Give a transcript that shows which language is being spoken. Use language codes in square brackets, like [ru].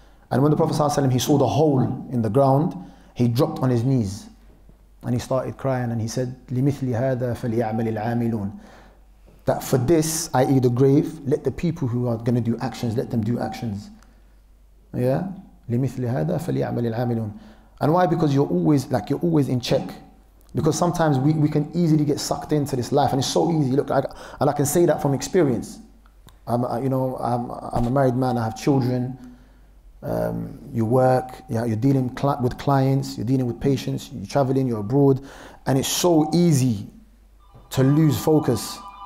[en] And when the Prophet ﷺ, he saw the hole in the ground, he dropped on his knees. And he started crying and he said, [ar] لِمِثْلِ هَذَا فَلْيَعْمَلِ الْعَامِلُونَ. [en] That for this, i.e. the grave, let the people who are going to do actions, let them do actions. Yeah? [ar] لِمِثْلِ هَذَا فَلْيَعْمَلِ الْعَامِلُونَ. [en] And why? Because you're always, like, you're always in check. Because sometimes we can easily get sucked into this life, and it's so easy. Look, I can say that from experience. I'm a married man, I have children. You work, you're dealing with clients, you're dealing with patients, you're traveling, you're abroad, and it's so easy to lose focus.